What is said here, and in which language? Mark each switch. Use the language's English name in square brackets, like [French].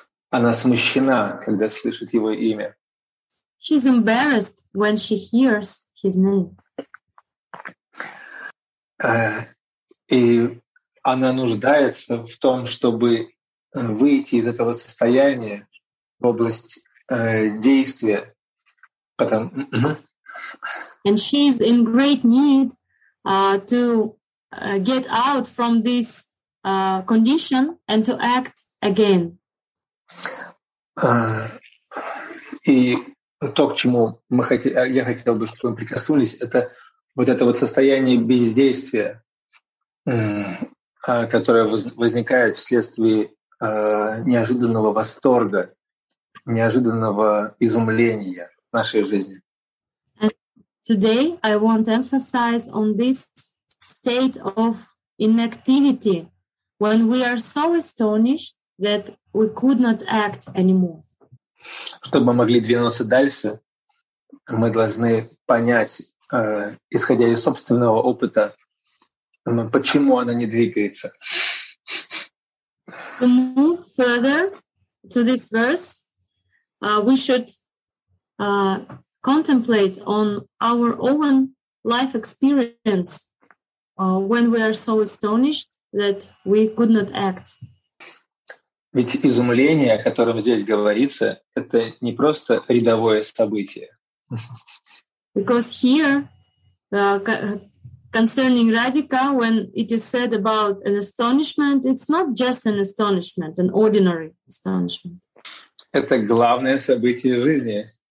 [Russian] Она смущена, когда слышит его имя. [English] She's embarrassed when she hears his name. [Russian] И она нуждается в том, чтобы выйти из этого состояния в область действия. [English] And she's in great need to get out from this condition and to act again. [Russian] И то, к чему я хотел бы, чтобы мы прикоснулись, это вот это вот состояние бездействия, которое возникает вследствие неожиданного восторга, неожиданного изумления в нашей жизни. [English] And today I want to emphasize on this state of inactivity when we are so astonished that we could not act anymore. [Russian] Чтобы мы могли двинуться дальше, мы должны понять, исходя из собственного опыта, почему она не двигается. [English] To move further to this verse, we should contemplate on our own life experience when we are so astonished that we could not act. [Russian] Ведь изумление, о котором здесь говорится, это не просто рядовое событие. [English] Because here, concerning Radhika, when it is said about an astonishment, it's not just an astonishment, an ordinary astonishment. [Russian] Это главное событие жизни.